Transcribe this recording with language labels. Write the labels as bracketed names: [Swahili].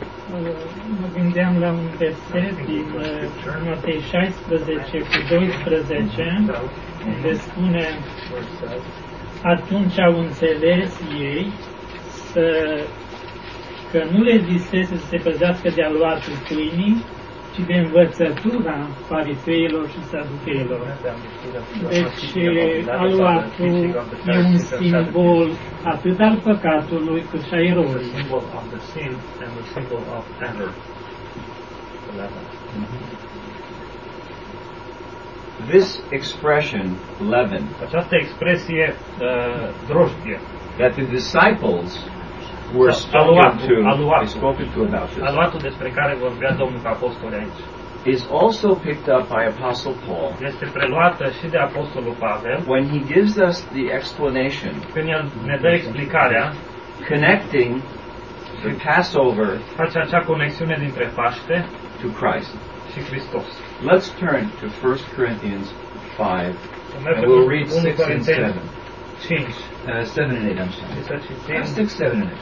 [Romanian] Mă gândeam la un verset din Matei 16 cu 12 unde spune atunci au înțeles ei să, că nu le zisese să se păzească de aluatul pâinii ci de învățătura fariseilor și saduceilor. Deci aluatul e un simbol atât al păcatului cât și a erorii. [English] Symbol of the sin and the symbol of error. This expression, leaven, [Romanian] această expresie, drojdie, [English] that the disciples were spoken to about this. [Romanian] Aluatul despre care vorbea Domnul Apostol aici. [English] Is also picked up by Apostle Paul. [Romanian] Este preluată și de Apostolul Pavel. [English] When he gives us the explanation, [Romanian] când el ne dă explicarea, [English] connecting the Passover, [Romanian] face acea conexiune dintre Paște [English] to Christ [Romanian] și Hristos. [English] Let's turn to 1 Corinthians 5 and we'll read 6 and 7.